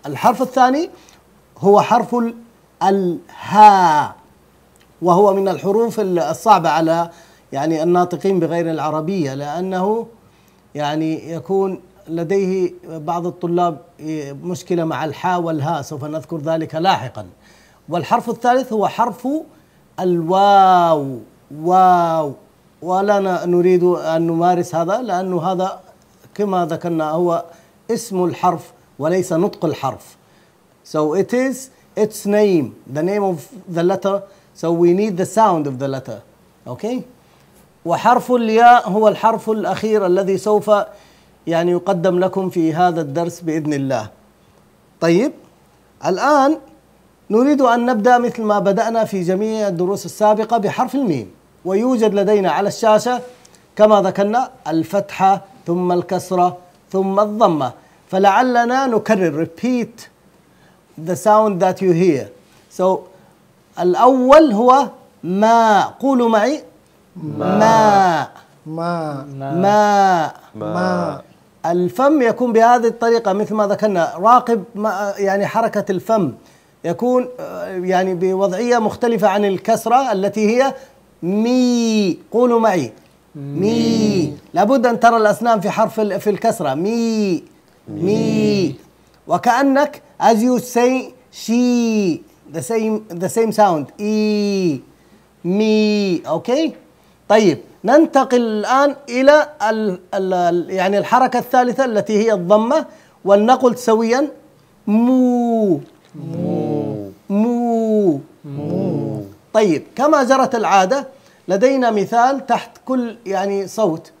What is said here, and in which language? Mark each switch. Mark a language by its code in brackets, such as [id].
[ar] الحرف الثاني هو حرف الهاء، وهو من الحروف الصعبة على يعني الناطقين بغير العربية، لأنه يعني يكون لديه بعض الطلاب مشكلة مع الحاء والهاء، سوف نذكر ذلك لاحقا. والحرف الثالث هو حرف الواو. واو، ولا نريد أن نمارس هذا، لأنه هذا كما ذكرنا هو اسم الحرف وليس نطق الحرف. [en] So it is its name, the name of the letter. So we need the sound of the letter. Okay. [ar] وحرف الياء هو الحرف الأخير الذي سوف يعني يقدم لكم في هذا الدرس بإذن الله. طيب، الآن نريد أن نبدأ مثل ما بدأنا في جميع الدروس السابقة بحرف الميم. ويوجد لدينا على الشاشة كما ذكرنا الفتحة ثم الكسرة ثم الضمة، فلعلنا نكرر، [en] repeat the sound that you hear. [ar] So الأول هو ما، قولوا معي ما. ما. ما. ما. ما. الفم يكون بهذه الطريقة مثل ما ذكرنا، راقب ما يعني حركة الفم، يكون يعني بوضعية مختلفة عن الكسرة التي هي مي. قولوا معي مي. لابد أن ترى الأسنان في حرف في الكسرة. مي. مي. وكأنك [en] as you say she, the same sound. [ar] اي. مي. أوكي. طيب، ننتقل الآن إلى يعني الحركة الثالثة التي هي الضمة، ولنقل سويا مو. مو. مو. مو. طيب، كما جرت العادة لدينا مثال تحت كل يعني صوت،